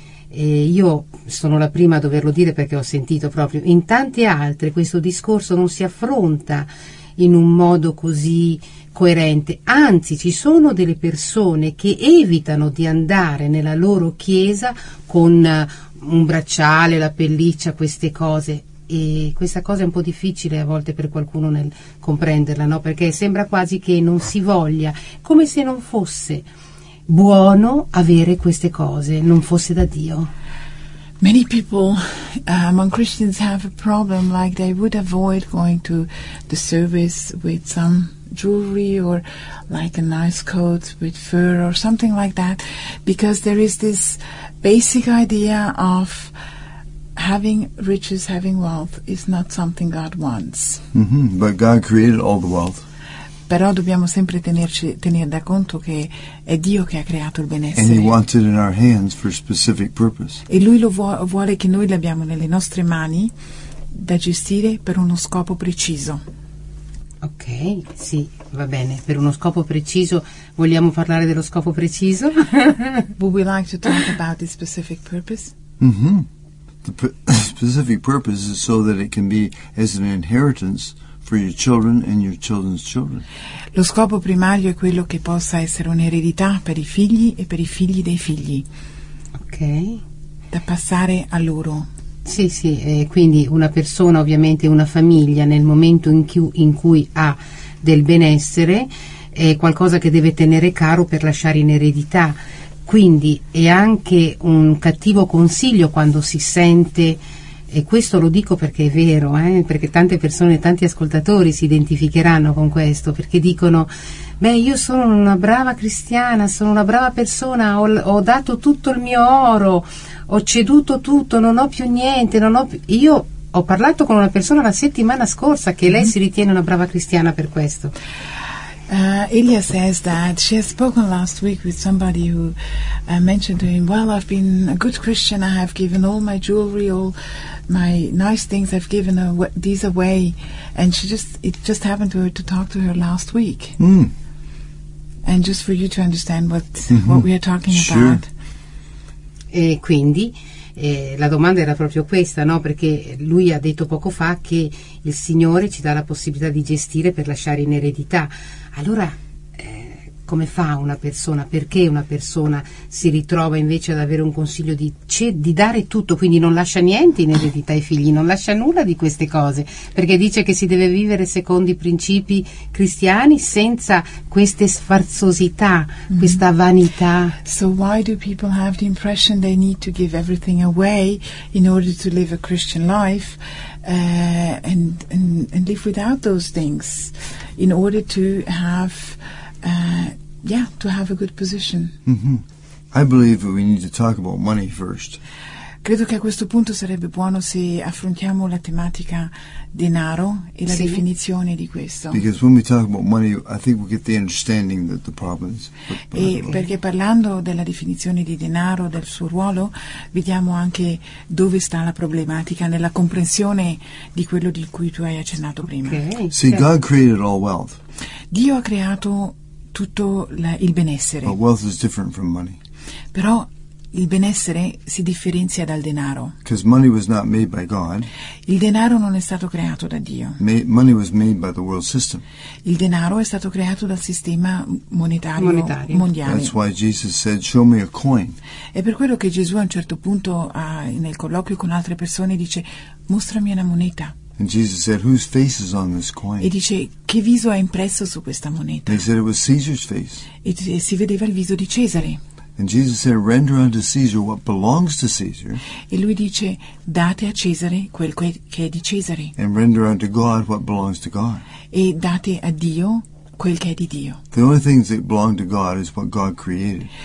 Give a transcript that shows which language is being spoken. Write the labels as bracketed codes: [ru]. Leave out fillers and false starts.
[it] E io sono la prima a doverlo dire perché ho sentito proprio, in tante altre questo discorso non si affronta in un modo così coerente, anzi ci sono delle persone che evitano di andare nella loro chiesa con un bracciale, la pelliccia, queste cose, e questa cosa è un po' difficile a volte per qualcuno nel comprenderla, no? Perché sembra quasi che non si voglia, come se non fosse buono avere queste cose, non fosse da Dio. [en] Many people among Christians have a problem, like they would avoid going to the service with some jewelry or like a nice coat with fur or something like that, because there is this basic idea of having riches, having wealth is not something God wants. Mm-hmm. But God created all the wealth. [it] Però dobbiamo sempre tenere da conto che è Dio che ha creato il benessere. [en] And he wants it in our hands for a specific purpose. [it] E lui lo vuole che noi l'abbiamo nelle nostre mani da gestire per uno scopo preciso. Ok, sì, va bene. Per uno scopo preciso, vogliamo parlare dello scopo preciso? [en] Would we like to talk about the specific purpose? Mm-hmm. The specific purpose is so that it can be as an inheritance for your children and your children's children. [it] Lo scopo primario è quello che possa essere un'eredità per i figli e per i figli dei figli. Ok. Da passare a loro. Sì, sì, quindi una persona, ovviamente una famiglia, nel momento in cui ha del benessere, è qualcosa che deve tenere caro per lasciare in eredità. Quindi è anche un cattivo consiglio quando si sente. E questo lo dico perché è vero, perché tante persone, tanti ascoltatori si identificheranno con questo, perché dicono, beh, io sono una brava cristiana, sono una brava persona, ho dato tutto il mio oro, ho ceduto tutto, non ho più niente, io ho parlato con una persona la settimana scorsa che lei si ritiene una brava cristiana per questo. [en] Ilya says that she has spoken last week with somebody who mentioned to him, well, I've been a good Christian, I have given all my jewelry, all my nice things, I've given these away, and it just happened to her to talk to her last week. Mm. And just for you to understand what we are talking sure. about. [it] E quindi la domanda era proprio questa, no? Perché lui ha detto poco fa che il Signore ci dà la possibilità di gestire per lasciare in eredità. Allora, come fa una persona, perché una persona si ritrova invece ad avere un consiglio di dare tutto, quindi non lascia niente in eredità ai figli, non lascia nulla di queste cose, perché dice che si deve vivere secondo i principi cristiani senza queste sfarzosità, questa vanità. [en] So why do people have the impression they need to give everything away in order to live a Christian life? And live without those things in order to have to have a good position. Mm-hmm. I believe that we need to talk about money first. [it] Credo che a questo punto sarebbe buono se affrontiamo la tematica denaro e la definizione di questo. [en] Because when we talk about money, I think we get the understanding that the problem is. [it] E perché parlando della definizione di denaro, del suo ruolo, vediamo anche dove sta la problematica nella comprensione di quello di cui tu hai accennato prima. [en] Okay. See, God created all wealth. [it] Dio ha creato tutto il benessere. [en] But wealth is different from money. [it] Però il benessere si differenzia dal denaro. [en] Because money was not made by God. [it] Il denaro non è stato creato da Dio. [en] Money was made by the world system. [it] Il denaro è stato creato dal sistema monetario mondiale. [en] That's why Jesus said, "Show me a coin." [it] È per quello che Gesù a un certo punto nel colloquio con altre persone dice, "Mostrami una moneta." [en] And Jesus said, "Whose face is on this coin?" [it] E dice, "Che viso è impresso su questa moneta?" [en] And he said, "It was Caesar's face." [it] E si vedeva il viso di Cesare. [en] And Jesus said, "Render unto Caesar what belongs to Caesar." [it] E lui dice, "Date a Cesare quel che è di Cesare." [en] And render unto God what belongs to God. [it] E date a Dio quel che è di Dio. [en] The only things that belong to God is what God created.